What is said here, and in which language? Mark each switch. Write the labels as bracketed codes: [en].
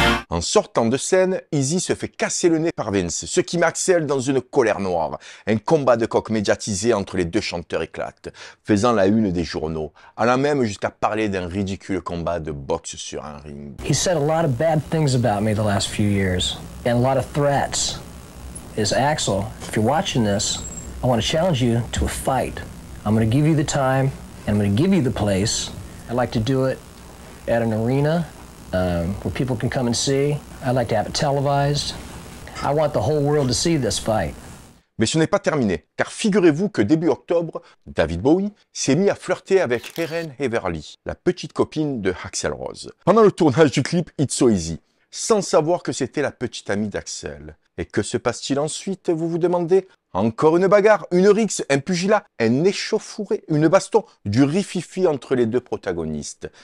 [fr] En sortant de scène, Izzy se fait casser le nez par Vince, ce qui met Axel dans une colère noire. Un combat de coq médiatisé entre les deux chanteurs éclate, faisant la une des journaux, allant même jusqu'à parler d'un ridicule combat de boxe sur un ring. [en] He said a lot of bad things about me the last few years, and a lot of threats. Is Axel, if you're watching this, I want to challenge you to a fight. I'm going to give you the time, and I'm going to give you the place. I'd like to do it at an arena. Where people can come and see. I'd like to have it televised. I want the whole world to see this fight. [fr] Mais ce n'est pas terminé, car figurez-vous que début octobre, David Bowie s'est mis à flirter avec Helen Heverly, la petite copine de Axel Rose. Pendant le tournage du clip It's So Easy, sans savoir que c'était la petite amie d'Axel. Et que se passe-t-il ensuite, vous vous demandez? Encore une bagarre, une rixe, un pugilat, un échauffouré, une baston, du rififi entre les deux protagonistes.